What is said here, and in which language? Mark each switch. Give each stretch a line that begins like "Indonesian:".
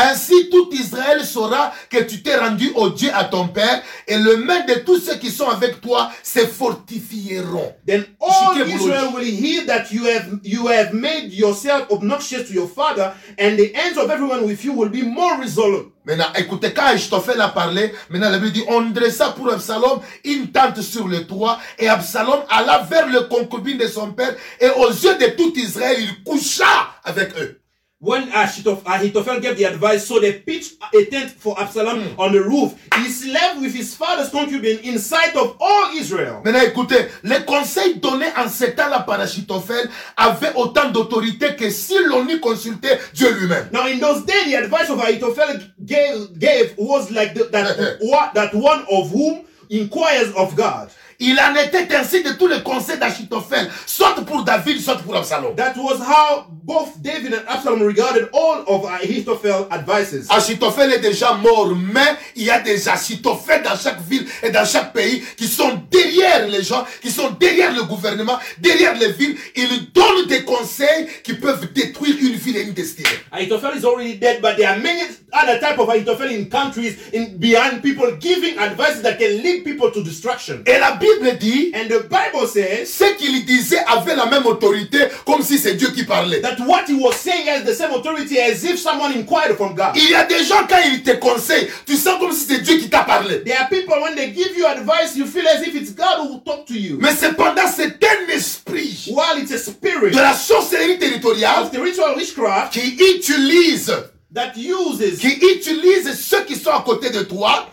French: Ainsi tout Israël saura que tu t'es rendu au Dieu à ton père et le main de tous ceux qui sont avec toi se fortifieront.
English: Then all Israel will hear that you have made yourself obnoxious to your father and the hands of everyone with you will be more resolute.
French: Maintenant, écoutez, quand Ahithophel a parlé, maintenant la Bible dit, on dressa pour Absalom une tente sur le toit, et Absalom alla vers le concubine de son père, et aux yeux de tout Israël, il coucha avec eux.
English: When Ahithophel gave the advice, so they pitched a tent for Absalom on the roof. He slept with his father's concubine in sight of all Israel.
French: Maintenant, écoutez, les conseils donnés en ces temps-là par Ahithophel avaient autant d'autorité que si l'on y consultait Dieu lui-même.
English: Now, in those days, the advice of Ahithophel gave was like that one of whom inquires of God.
French: Il en était ainsi de tous les conseils d'Achitophel, soit pour David, soit pour Absalom.
English: That was how both David and Absalom regarded all of Ahithophel's advices.
French: Achitophel est déjà mort, mais il y a des Achitophel dans chaque ville et dans chaque pays qui sont derrière les gens, qui sont derrière le gouvernement, derrière les villes. Ils donnent des conseils qui peuvent détruire une ville et une destinée.
English: Ahithophel is already dead, but there are many other types of Ahithophel in countries, in behind people giving advices that can lead people to destruction.
French: Et la Bible dit,
English: and the Bible says,
French: ce qu'il disait avait la même autorité comme si c'est Dieu qui parlait.
English: That what he was saying has the same authority as if someone inquired from God.
French: Il y a des gens quand ils te conseillent, tu sens comme si c'est Dieu qui t'a parlé.
English: There are people when they give you advice, you feel as if it's God who will talk to you.
French: Mais cependant, c'est un esprit.
English: While it's a spirit.
French: De la sorcellerie territoriale.
English: Of the ritual witchcraft.
French: Qui utilise.
English: That uses.
French: Qui utilise ceux qui sont à côté de toi.